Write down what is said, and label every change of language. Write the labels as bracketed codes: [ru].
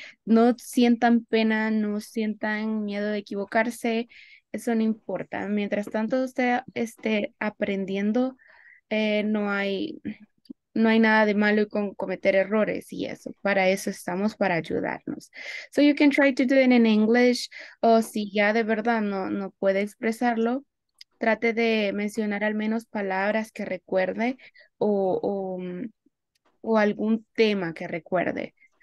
[es] No sientan pena, no sientan miedo de equivocarse. Eso no importa. Mientras tanto usted esté aprendiendo, no hay nada de malo con cometer errores y eso. Para eso estamos, para ayudarnos. [en] So you can try to do it in English. [es] O si ya de verdad no puede expresarlo, trate de mencionar al menos palabras que recuerde o algún tema que recuerde.